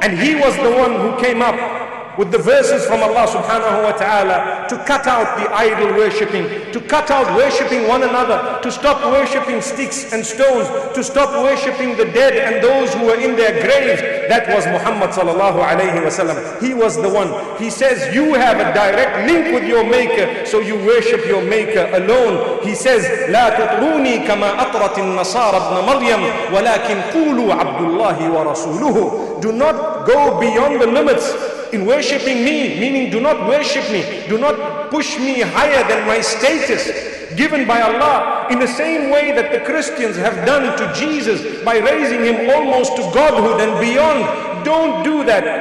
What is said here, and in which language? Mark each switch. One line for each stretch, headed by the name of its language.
English: And he was the one who came up with the verses from Allah subhanahu wa ta'ala to cut out the idol worshipping, to cut out worshipping one another, to stop worshipping sticks and stones, to stop worshipping the dead and those who were in their graves. That was Muhammad sallallahu alayhi wa sallam. He was the one. He says, "You have a direct link with your Maker, so you worship your Maker alone." He says,
Arabic: "لا تطروني كما أطرت النصارى ابن مريم ولكن قولوا عبد الله ورسوله."
English: Do not go beyond the limits in worshipping me, meaning do not worship me, do not push me higher than my status given by Allah, in the same way that the Christians have done to Jesus by raising him almost to godhood and beyond. Don't do that.